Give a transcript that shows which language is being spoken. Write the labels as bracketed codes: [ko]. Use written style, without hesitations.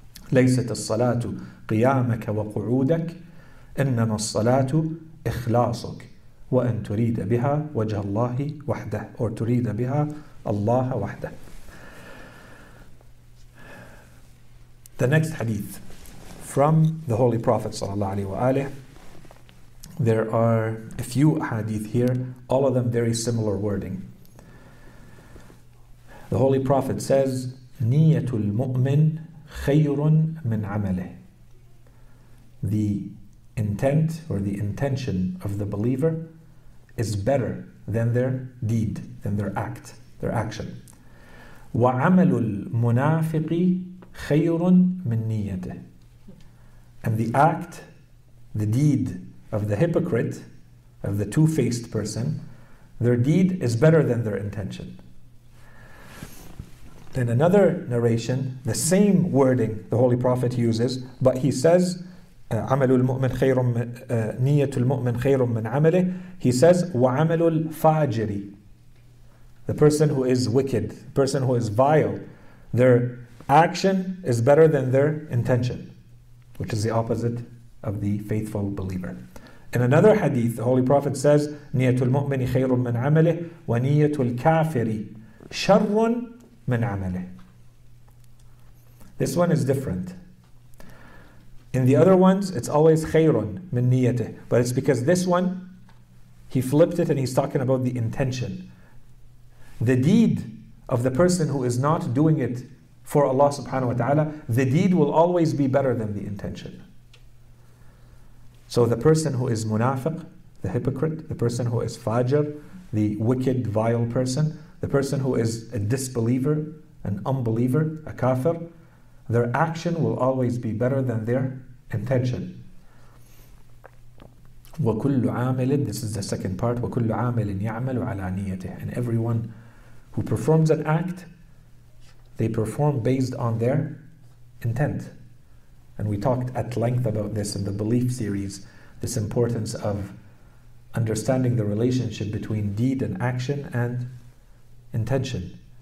[ar] لَيْسَتَ الصَّلَاةُ قِيَامَكَ وَقُعُودَكَ إِنَّمَا الصَّلَاةُ إِخْلَاصُكَ وَأَنْ تُرِيدَ بِهَا وَجْهَ اللَّهِ وَحْدَهُ or تُرِيدَ بِهَا اللَّهَ وَحْدَهُ. [en] The next hadith from the Holy Prophet sallallahu alaihi wa alihi. There are a few hadith here, all of them very similar wording. The Holy Prophet says, [ar] نِيَّةُ الْمُؤْمِنِ خَيْرٌ مِنْ عَمَلِهِ. [en] The intent or the intention of the believer is better than their deed, than their act, their action. [ar] وَعَمَلُ الْمُنَافِقِ خَيْرٌ مِنْ نِيَّتِهِ. [en] And the act, the deed of the hypocrite, of the two-faced person, their deed is better than their intention. In another narration, the same wording the Holy Prophet uses, but he says, [ar] عَمَلُ الْمُؤْمِنْ خَيْرٌ نِيَّةُ الْمُؤْمِنْ خَيْرٌ مِنْ عَمَلِهِ. [en] He says, [ar] وَعَمَلُ الْفَاجِرِ. [en] The person who is wicked, the person who is vile, their action is better than their intention, which is the opposite of the faithful believer. In another hadith, the Holy Prophet says, [ar] نِيَّةُ الْمُؤْمِنِ خَيْرٌ مِنْ عَمَلِهِ وَنِيَّةُ الْكَافِرِ شَرٌ مِنْ عَمَلِهِ. [en] This one is different. In the other ones, it's always [ar] خَيْرٌ مِنْ نِيَّتِهِ. [en] But it's because this one, he flipped it and he's talking about the intention. The deed of the person who is not doing it for Allah subhanahu wa ta'ala, the deed will always be better than the intention. So the person who is munafiq, the hypocrite, the person who is fajr, the wicked, vile person, the person who is a disbeliever, an unbeliever, a kafir, their action will always be better than their intention. [ar] وَكُلُّ عَامِلٍ, [en] this is the second part, [ar] وَكُلُّ عَامِلٍ يَعْمَلُ عَلَى نِيَّتِهِ. [en] And everyone who performs an act, they perform based on their intent. And we talked at length about this in the belief series, this importance of understanding the relationship between deed and action and intention.